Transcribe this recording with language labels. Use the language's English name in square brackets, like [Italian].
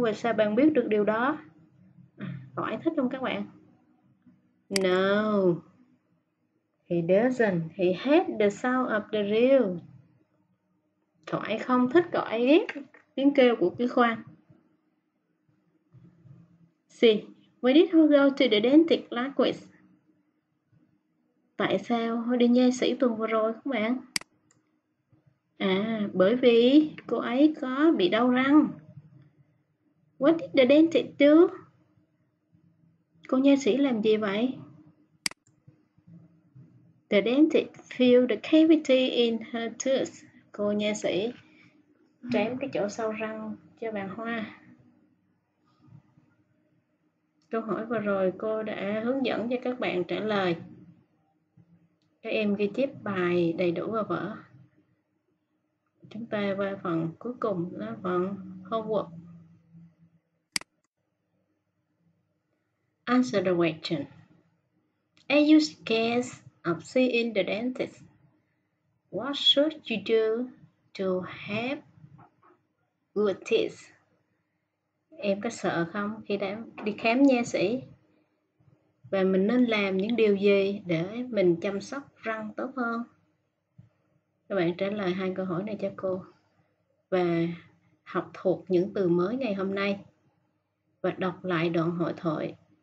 [Vietnamese] Và sao bạn biết được điều đó? Cậu ấy thích không các bạn? [English] No. He doesn't. He hates the sound of the reel. [Vietnamese] Cậu ấy không thích, cậu ấy ghét tiếng kêu của cái khoang. [English] See. Why did he go to the dentist last week? [Vietnamese] Tại sao Hoa đi nha sĩ tuần vừa rồi các bạn? À, bởi vì cô ấy có bị đau răng. [English] What did the dentist do? [Vietnamese] Cô nha sĩ làm gì vậy? [English] The dentist filled the cavity in her tooth. [Vietnamese] Cô nha sĩ trám cái chỗ sâu răng cho bạn Hoa. Câu hỏi vừa rồi cô đã hướng dẫn cho các bạn trả lời. Các em ghi chép bài đầy đủ vào vở. Chúng ta qua phần cuối cùng là phần homework. [English] Answer the question. Are you scared of seeing the dentist? What should you do to have good teeth? [Vietnamese] Em có sợ không khi đã đi khám nha sĩ? Và mình nên làm những điều gì để mình chăm sóc răng tốt hơn? Các bạn trả lời hai câu hỏi này cho cô và học thuộc những từ mới ngày hôm nay và đọc lại đoạn hội thoại.